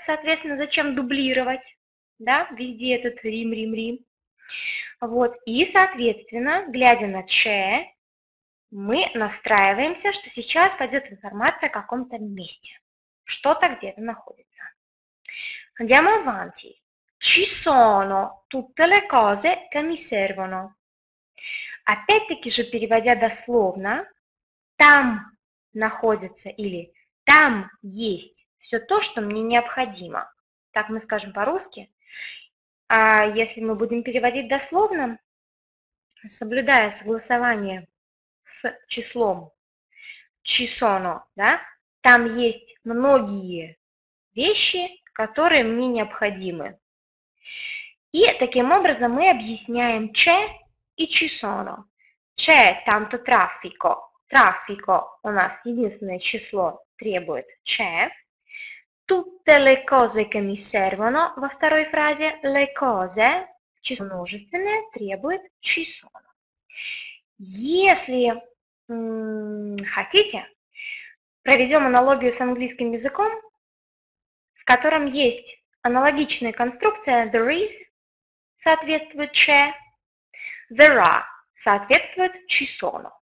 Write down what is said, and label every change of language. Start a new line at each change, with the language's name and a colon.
Russian: Соответственно, зачем дублировать, да? Везде этот Рим, Рим, Рим. Вот, и, соответственно, глядя на «че», мы настраиваемся, что сейчас пойдет информация о каком-то месте, что-то где-то находится.
Italian: Andiamo avanti. Ci sono tutte le cose che mi servono.
Russian: Опять-таки же, переводя дословно, там находится или там есть все то, что мне необходимо. Так мы скажем по-русски. А если мы будем переводить дословно, соблюдая согласование с числом ci sono, да, Там есть многие вещи, которые мне необходимы. И таким образом мы объясняем «c'è» и «ci sono».
Italian: «C'è» – tanto traffico.
Russian: Traffico – у нас единственное число требует «c'è».
Italian: «Tutte le cose che mi servono»
Russian: во второй фразе. «Le cose» – число множественное требует «ci sono». Если хотите, проведем аналогию с английским языком, в котором есть аналогичная конструкция «there is» соответствует «c'è», «there are» соответствует «ci sono».